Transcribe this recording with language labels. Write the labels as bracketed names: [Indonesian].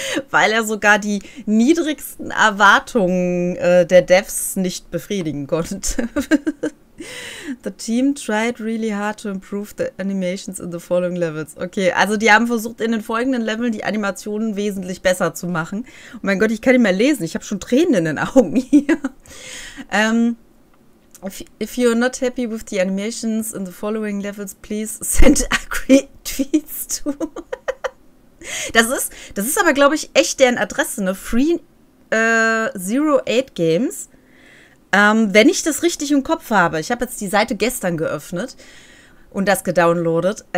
[German] Weil er sogar die niedrigsten Erwartungen der Devs nicht befriedigen konnte. [English] The team tried really hard to improve the animations in the following levels. [German] Okay, also die haben versucht, in den folgenden Leveln die Animationen wesentlich besser zu machen. Oh mein Gott, ich kann nicht mehr lesen. Ich habe schon Tränen in den Augen hier. [English] If you're not happy with the animations in the following levels, please send angry tweets to... [German] Das ist aber, glaube ich, echt deren Adresse, ne? Free08Games. Wenn ich das richtig im Kopf habe, ich habe jetzt die Seite gestern geöffnet und das gedownloadet.